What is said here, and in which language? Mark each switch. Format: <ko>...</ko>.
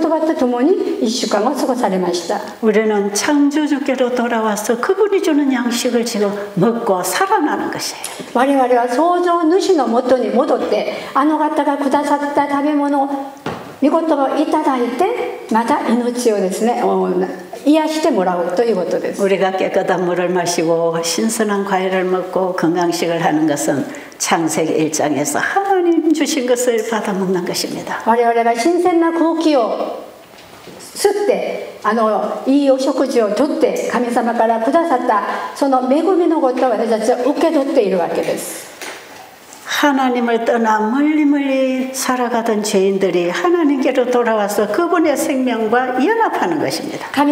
<ja>我々神様のもとに戻って神様が我々にくださったその食べ物をいただきながら神様の御言葉とともに一週間を過ごされました。</ja> <ko>우리는 창조주께로 돌아와서 그분이 주는 양식을 지금 먹고 살아나는 것이에요.</ko> <ja>我々は 創造主のもとに戻って、あの方がくださった食べ物を 御言葉をいただいて、また命をですね、癒してもらうということです。</ja> <ko>우리가 깨끗한 물을 마시고 신선한 과일을 먹고 건강식을 하는 것은 창세기 1장에서 하나님 주신 것을 받아 먹는 것입니다.</ko> <ja>我々が 신선한 空気を 吸って、あのいいお食事をとって神様からくださったその恵みのことを私たちは受け取っているわけです。</ja> <ko>하나님을 떠나 멀리멀리 살아가던 죄인들이 하나님께로 돌아와서 그분의 생명과 연합하는 것입니다.</ko>